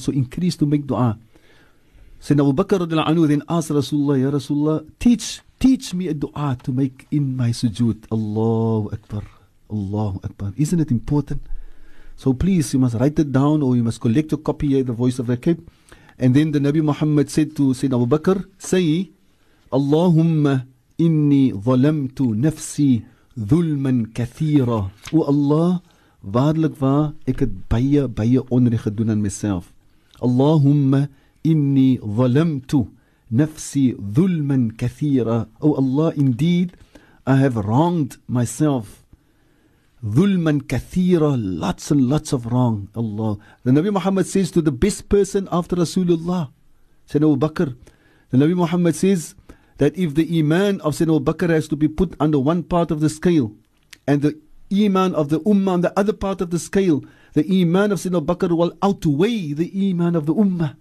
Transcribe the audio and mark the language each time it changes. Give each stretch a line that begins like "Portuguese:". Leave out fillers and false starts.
English: So increase to make dua. Sayyidina Abu Bakr radiallahu anhu then asked Rasulullah, Ya Rasulullah, teach me a dua to make in my sujood. Allahu Akbar. Allahu Akbar. Isn't it important? So please, you must write it down, or you must collect your copy here, the Voice of the Cape. And then the Nabi Muhammad said to Sayyidina Abu Bakr, say,
Arabic: اللهم إني ظلمت نفسي ظلما كثيرا.
Afrikaans: O Allah, waarlik waar, ek het baie onreg gedoen aan
English: myself.
Arabic: Allahumma إني ظلمت نفسي ظلما كثيرا.
English: O Allah, indeed, I have wronged myself.
Arabic: ظلما كثيرا,
English: lots and lots of wrong. Allah. The Nabi Muhammad says to the best person after Rasulullah, Sayyidina Abu Bakr. The Nabi Muhammad says that if the iman of Sayyidina Abu Bakr has to be put under one part of the scale, and the iman of the ummah on the other part of the scale, the iman of Sayyidina Abu Bakr will outweigh the iman of the ummah.